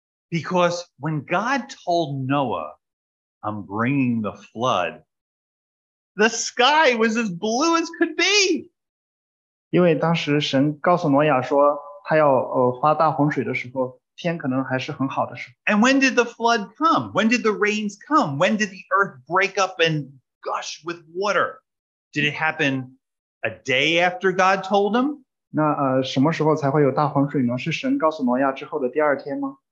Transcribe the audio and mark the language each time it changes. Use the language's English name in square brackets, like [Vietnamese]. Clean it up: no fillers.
[English] Because when God told Noah, I'm bringing the flood, the sky was as blue as could be. [Chinese] 因为当时神告诉挪亚说, 他要, 发大洪水的时候, [English] and when did the flood come? When did the rains come? When did the earth break up and gush with water? Did it happen a day after God told him? [Chinese] 那, 什么时候才会有大洪水呢?是神告诉挪亚之后的第二天吗?